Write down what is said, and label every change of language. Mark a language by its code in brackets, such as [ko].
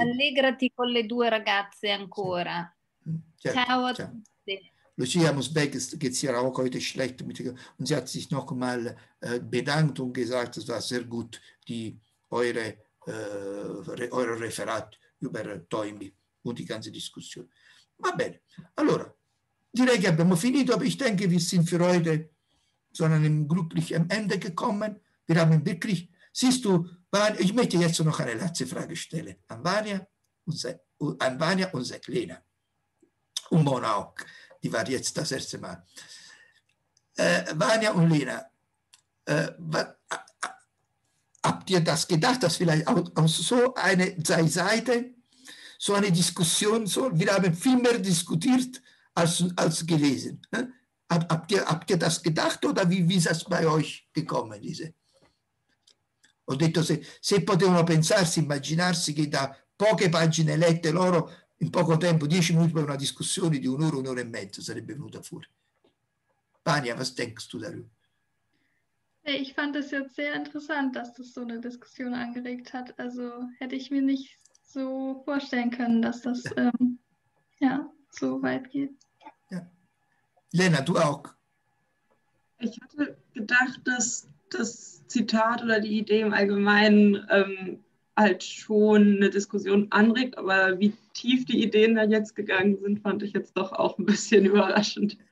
[it] Allegrati con le 2 ragazze ancora. Sì. Ciao, ciao. [de] Lucia Musbeck geht hier auch heute schlecht mit, und sie hat sich nochmal bedankt und gesagt, es war sehr gut, eure Referat über Toynbee und die ganze Diskussion. [it] Va bene, allora, direi che abbiamo finito, [de] aber ich denke, wir sind für heute zu einem glücklichen Ende gekommen. Wir haben wirklich, siehst du, ich möchte jetzt noch eine letzte Frage stellen an Vania und Seklena. Un monoc, di varie città, se mai. Vania und Lena, habt ihr das gedacht, dass vielleicht aus so eine Seite, so eine Diskussion, so, wir haben viel mehr diskutiert als gelesen. Habt ihr das gedacht oder wie ist das bei euch gekommen, diese? [it] Ho detto, se potevano pensarsi, immaginarsi che da poche pagine lette loro in poco tempo, 10 minuti per una discussione di 1 ora, 1 ora e mezzo sarebbe venuta fuori. [de] Vania, was denkst du darüber? Ich fand es jetzt sehr interessant, dass das so eine Diskussion angeregt hat. Also hätte ich mir nicht so vorstellen können, dass das ja, so weit geht. Ja. Lena, du auch? Ich hatte gedacht, dass das Zitat oder die Idee im Allgemeinen halt schon eine Diskussion anregt, aber wie tief die Ideen da jetzt gegangen sind, fand ich jetzt doch auch ein bisschen überraschend.